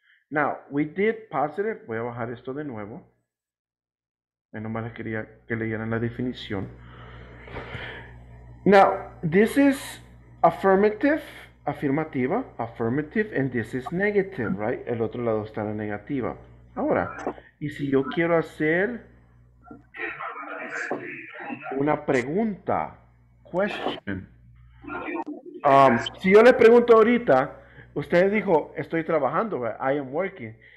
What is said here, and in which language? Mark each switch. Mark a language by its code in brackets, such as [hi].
[en] Now, we did positive, [es] voy a bajar esto de nuevo. Y nomás les quería que leyeran la definición. [en] Now, this is affirmative, and this is negative, right? [es] El otro lado está la negativa. Ahora, y si yo quiero hacer una pregunta, question. Si yo le pregunto ahorita, usted dijo, estoy trabajando, right? [en] I am working.